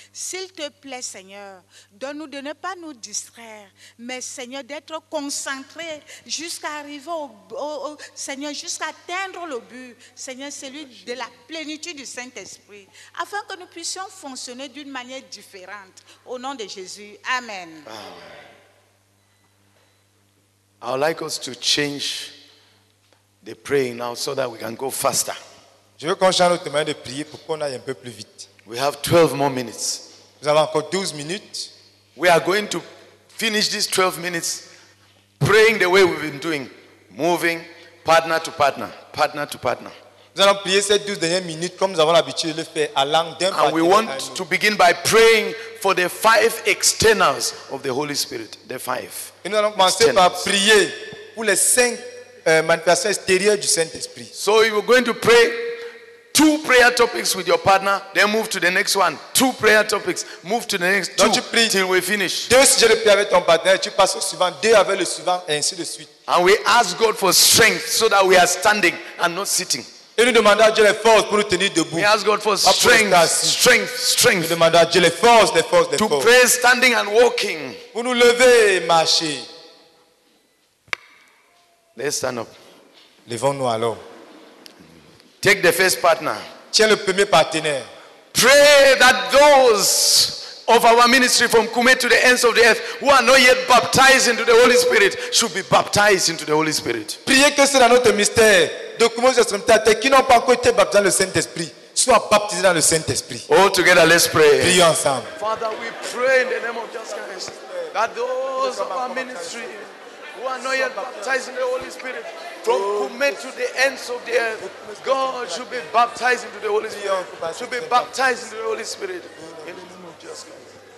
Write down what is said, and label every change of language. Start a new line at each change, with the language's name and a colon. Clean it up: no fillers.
French: S'il te plaît, Seigneur, donne-nous de ne pas nous distraire, mais Seigneur, d'être concentrés jusqu'à arriver au Seigneur, jusqu'à atteindre le but, Seigneur, celui de la plénitude du Saint-Esprit, afin que nous puissions fonctionner d'une manière différente. Au nom de Jésus. Amen.
English: Amen. I would like us to change the praying now so that we can go faster.
French: Je veux qu'on change notre manière de prier pour qu'on aille un peu plus vite.
English: We have 12 more minutes.
French: Nous avons encore 12 minutes.
English: We are going to finish these 12 minutes praying the way we've been doing, moving partner to partner, partner to partner.
French: Nous allons prier ces 12 dernières minutes comme nous avons l'habitude de le faire, allant d'un partenaire.
English: And we want to begin by praying for the 5 externals of the Holy Spirit, the 5.
French: Et nous allons commencer par prier pour les 5 manifestations extérieures du Saint-Esprit.
English: So you're going to pray 2 prayer topics with your partner, then move to the next one. 2 prayer topics, move to the next 2.
French: Donc tu pries
English: till we finish.
French: 2 sujets de prière avec ton partenaire, tu passes au suivant, 2 avec le suivant, et ainsi de suite.
English: And we ask God for strength so that we are standing and not sitting.
French: Et nous demandons à Dieu les forces pour nous tenir debout.
English: We ask God for strength.
French: Nous demandons à Dieu les forces.
English: To pray standing and walking.
French: Pour nous lever et marcher.
English: Let's stand up.
French: Levons-nous alors.
English: Take the first partner.
French: Tiens le premier partenaire.
English: Pray that those of our ministry from Kume to the ends of the earth who are not yet baptized into the Holy Spirit should be baptized into the Holy Spirit.
French: Priez que c'est dans notre mystère. De commencer à se remettre à terre, qui n'ont pas encore été baptisés dans le Saint-Esprit, soit baptisés dans le Saint-Esprit.
English: All together, let's pray.
French: Prions ensemble.
English: Father, we pray in the name of Jesus Christ that those of our ministry who are not yet baptized in the Holy Spirit From Kume to the ends of the earth, God should be baptized into the Holy Spirit. Should be baptized into the Holy Spirit. In the name of Jesus Christ.